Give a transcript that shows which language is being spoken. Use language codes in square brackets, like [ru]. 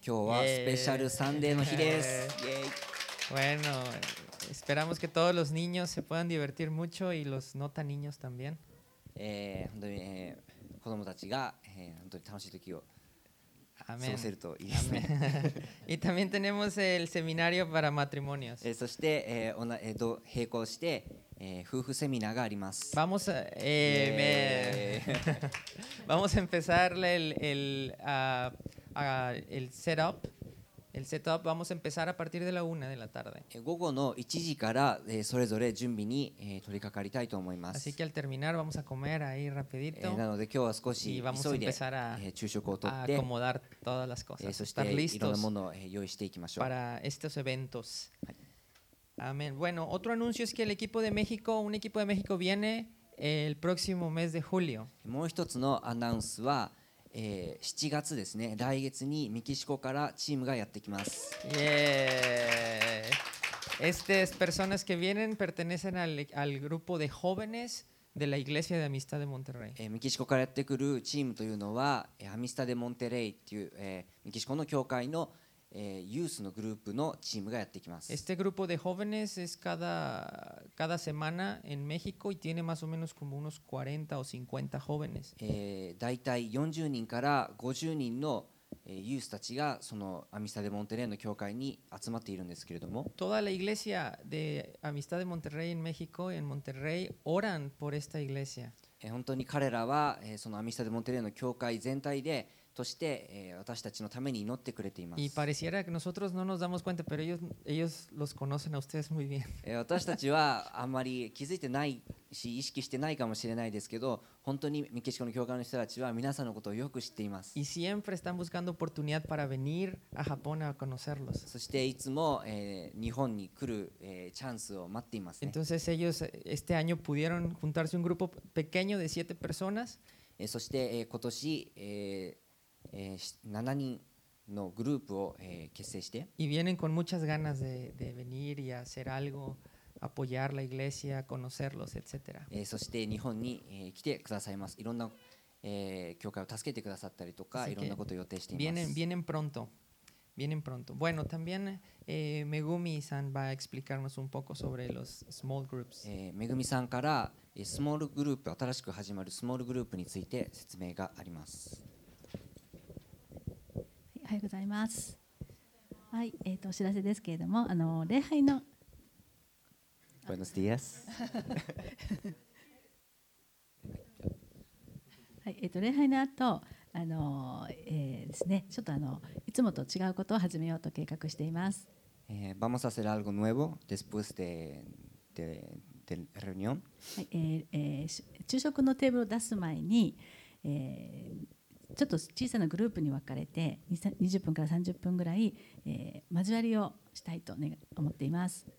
[ja] 今日はスペシャルサンデーの日です。 [es] Bueno, esperamos que todos los niños se puedan divertir mucho y los no tan niños también. [ja] 本当に、子供たちが、本当に楽しい時を過ごせるといいですね。 [es] Y también tenemos el seminario para matrimonios. [ja] そして、並行して、夫婦セミナーがあります。 [es] Vamos a, Vamos a empezar el setup. Vamos a empezar a partir de la una de la tarde. [ja] 午後の1時から、それぞれ準備に、取り掛かりたいと思います。 [es] Así que al terminar vamos a comer ahí rapidito. [ja] なので今日は少し急いで、昼食をとって、 [es] acomodar todas las cosas. [ja] そしていろんなものを、用意していきましょう。 [es] Para estos eventos. Amén. Bueno, otro anuncio es que el equipo de México, un equipo de México viene el próximo mes de julio. [ja] もう一つのアナウンスは、7月ですね。来月にメキシコからチームがやってきます。 [en] Yeah. [es] Estas personas que vienen pertenecen al grupo de jóvenes de la Iglesia de Amistad de Monterrey. [ja] メキシコからやってくるチームというのは、アミスタデモンテレイっていう、メキシコの教会のユースのグループのチームがやってきます。 [es] Este grupo de jóvenes es cada semana en México y tiene más o menos como unos 40 o 50 jóvenes. [ja] だいたい40人から50人の、ユースたちがそのアミスタデモンテレイの教会に集まっているんですけれども。 [es] Toda la iglesia de Amistad de Monterrey en México y en Monterrey oran por esta iglesia. [ja] 本当に彼らは、そのアミスタデモンテレイの教会全体でそして、私たちのために祈ってくれています。私たちはあんまり気づいてないし意識してないかもしれないですけど、本当にメキシコの教会の人たちは皆さんのことをよく知っています。そしていつも、日本に来る、チャンスを待っていますね。 [es] Entonces ellos este año pudieron juntarse un grupo pequeño de 7 personas. [ja] そして、今年、7人のグループを、結成して、 [es] y vienen con muchas ganas de venir y hacer algo, apoyar la iglesia, conocerlos, etc. [ja] そして日本に、来てくださいます。いろんな、教会を助けてくださったりとか、いろんなことを予定しています。 [es] Vienen pronto. Bueno, también、Megumi さん va a explicarnos un poco sobre los small groups. [ja] Megumi さんから、スモールグループ、新しく始まるスモールグループについて説明があります。おはようございます、はい、お知らせですけれども、礼拝の [es] Buenos días [ja] 、はい、礼拝の後、ですね、ちょっと、いつもと違うことを始めようと計画しています。 [es] Vamos a hacer algo nuevo después de reunión、 [ja] はい、昼食のテーブルを出す前に、ちょっと小さなグループに分かれて20分から30分ぐらい、交わりをしたいと思っています。